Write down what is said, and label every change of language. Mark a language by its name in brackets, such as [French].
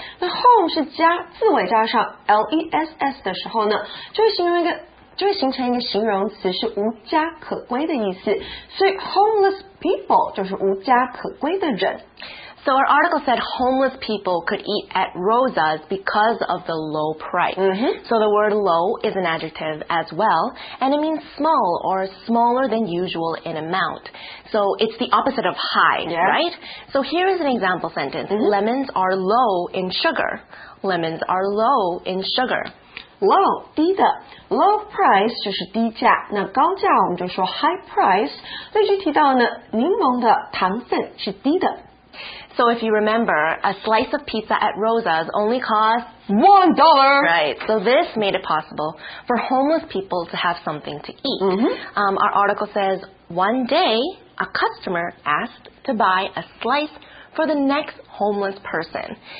[Chinese] 那 home 是家，字尾加上 L-E-S-S 的时候呢，就会形容一个就会形成一个形容词，是无家可归的意思。所以 homeless people 就是无家可归的人。 [English] So our article said homeless people could eat at Rosa's because of the low price.、 Mm-hmm. So the word low is an adjective as well, and it means small or smaller than usual in amount. So it's the opposite of high,、 yeah. right? So here is an example sentence.、 Mm-hmm. Lemons are low in sugar. Lemons are low in sugar. [Chinese] Low, 低的 low price 就是低价，那高价我们就说 high price。例句提到呢，柠檬的糖分是低的。 [English] So if you remember, a slice of pizza at Rosa's only costs $1. Right, so this made it possible for homeless people to have something to eat.、 Mm-hmm. Our article says, one day, a customer asked to buy a slice for the next homeless person.